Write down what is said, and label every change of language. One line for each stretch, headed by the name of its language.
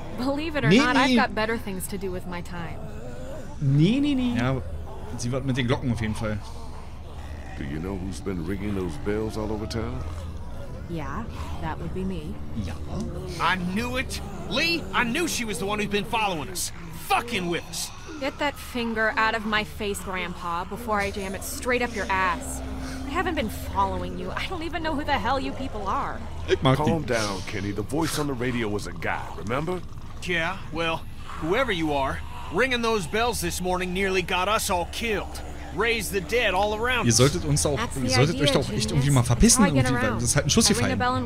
English: Believe it or not, I've got better things to do with my time.
German: Nee. Ja, sie wird mit den Glocken auf jeden Fall.
English: Do you know who's been ringing those bells all over town? Yeah, that would be me. I knew it. Lee, I knew she was the one who's been following us. Fucking with us. Get that finger out of my face, Grandpa, before I jam it straight up your ass. I haven't been following you. I don't even know who the hell you people are. Calm down, Kenny. The voice on the radio was a guy, remember? Yeah, well, whoever you are, ringing those bells this morning nearly got us all killed. Raise the dead all around.
German: Ihr solltet uns auch, ihr solltet euch doch echt irgendwie mal verpissen irgendwie, weil das ist halt ein Schuss gefallen.